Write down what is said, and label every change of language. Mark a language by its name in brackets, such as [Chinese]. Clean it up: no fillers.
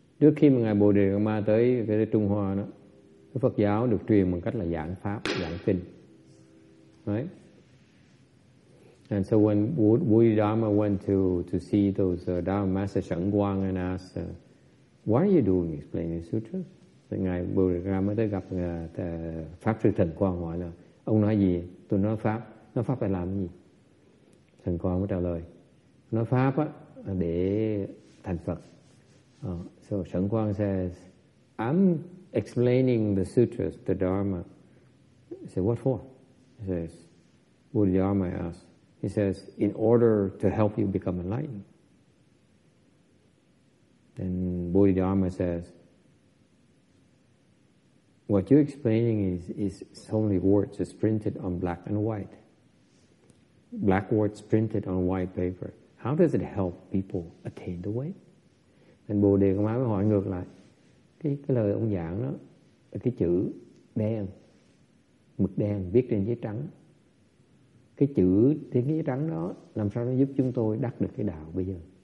[Vietnamese] Trước khi mà ngài Bodhidharma tới cái Trung Hoa đó, cái Phật giáo được truyền bằng cách là giảng pháp, giảng kinh. [English] Right? And so when Bodhidharma went to see those Dharma Master Shen Guang and asked, "What are you doing explaining sutras?" [Vietnamese] Thì ngài Bodhidharma tới gặp Pháp Sư Thần Quang hỏi là ông nói gì? Tôi nói pháp. Nói pháp phải làm cái gì? Thần Quang mới trả lời: nói pháp á để thành Phật. [English] So Thần Quang says, I'm explaining the sutras, the Dharma. I said, what for? He says, Bodhidharma asked. He says, in order to help you become enlightened. Then Bodhidharma says, what you're explaining is only words. It's printed on black and white. Black words printed on white paper. How does it help people attain the way? And [Vietnamese] Bồ Đề Công Ái mới hỏi ngược lại. Cái lời ông giảng đó, cái chữ đen, mực đen viết trên giấy trắng. Cái chữ trên giấy trắng đó làm sao nó giúp chúng tôi đắc được cái đạo bây giờ?